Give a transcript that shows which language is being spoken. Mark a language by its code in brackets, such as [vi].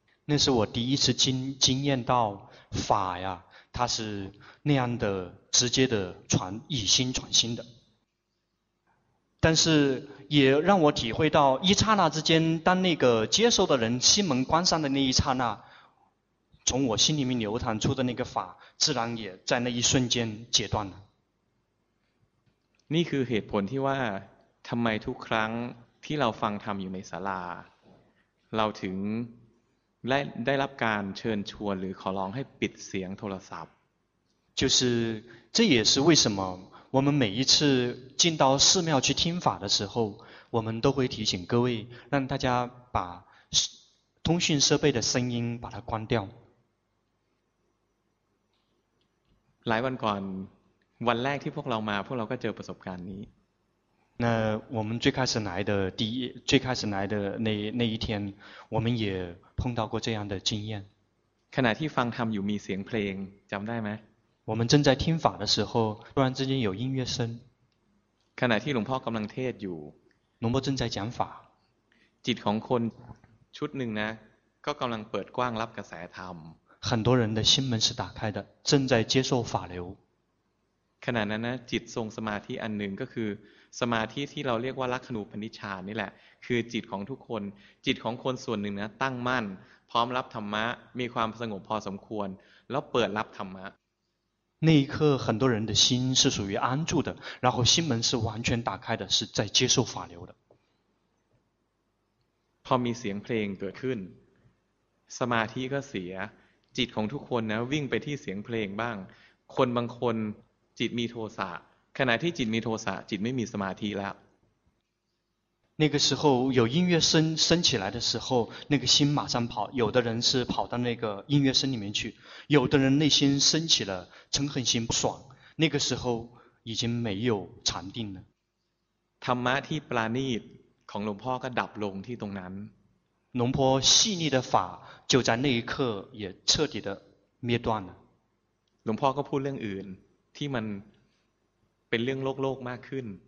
[zh] 那是我第一次经验到法呀它是那样的直接的传以心传心的但是也让我体会到一刹那之间，当那个接受的人心门关上的那一刹那，从我心里面流淌出的那个法自然也在那一瞬间截断了。 [th] นี่คือเหตุผลที่ว่าทำไมทุกครั้งที่เราฟังธรรมอยู่ในศาลาเราถึงได้รับการเชิญชวนหรือขอร้องให้ปิดเสียงโทรศัพท์ [zh] 就是这也是为什么我们每一次进到寺庙去听法的时候，我们都会提醒各位，让大家把通讯设备的声音把它关掉。 [th] หลายวันก่อนวันแรกที่พวกเรามาพวกเราก็เจอประสบการณ์นี้ [zh] 那我们最开始来的第一最开始来的那一天我们也碰到过这样的经验 [th] ขณะที่ฟังธรรมอยู่มีเสียงเพลงจำได้ไหม [zh] 我们正在听法的时候突然之间有音乐声 [th] ขณะที่หลวงพ่อกำลังเทศอยู่ [zh] หลวงพ่อ正在讲法 [th] จิตของคนชุดหนึ่งนะก็กำลังเปิดกว้างรับกระแสธรรม [zh] 很多人的心门是打开的正在接受法流 [th] ขณะนั้นนะจิตทรงสมาธิอันหนึ่งก็คือสมาธิที่เราเรียกว่าลักขณูปนิชฌานนี่แหละคือจิตของทุกคนจิตของคนส่วนหนึ่งนะตั้งมั่นพร้อมรับธรรมะมีความสงบพอสมควรแล้วเปิดรับธรรมะ [zh] 那一刻很多人的心是属于安住的然后心门是完全打开的是在接受法流的 [th] พอมีเสียงเพลงเกิดขึ้นสมาธิก็เสียจิตของทุกคนนะวิ่งไปที่เสียงเพลงบ้างคนบางคนจิตมีโทสะขณะที่จิตมีโทสะจิตไม่มีสมาธิแล้ว [zh] 那个时候有音乐声升起来的时候那个心马上跑有的人是跑到那个音乐声里面去有的人内心升起了嗔恨心不爽那个时候已经没有禅定了 [th] ธรรมะที่ปราณีตของหลวงพ่อก็ดับลงที่ตรงนั้น [zh] หลวงพ่อ细腻的法就在那一刻也彻底的灭断了 [th] หลวงพ่อก็พูดเรื่องอื่นที่มันเป็นเรื่องโลกโลกมากขึ้น